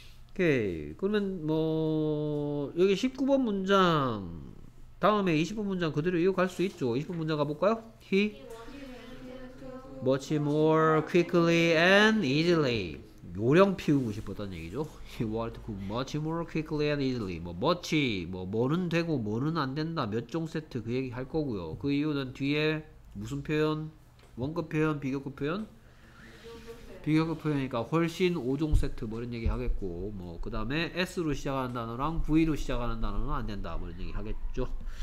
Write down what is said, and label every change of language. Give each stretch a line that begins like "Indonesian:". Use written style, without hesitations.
Korean: 오케이, 그러면 뭐 여기 19번 문장 다음에 20번 문장 그대로 이어갈 수 있죠. 20번 문장 가볼까요?
English: He much more quickly and easily.
Korean: 요령 피우고 싶었다는 얘기죠.
English: He wanted to cook much more quickly and easily.
Korean: 뭐 much, 뭐 뭐는 되고 뭐는 안 된다. 몇 종 세트 그 얘기 할 거고요. 그 이유는 뒤에 무슨 표현? 원급 표현, 비교급 표현? 비교급 표현이니까 훨씬 5종 세트 뭐 이런 얘기 하겠고, 뭐 그 다음에 S로 시작하는 단어랑 V로 시작하는 단어는 안 된다 뭐 이런 얘기 하겠죠.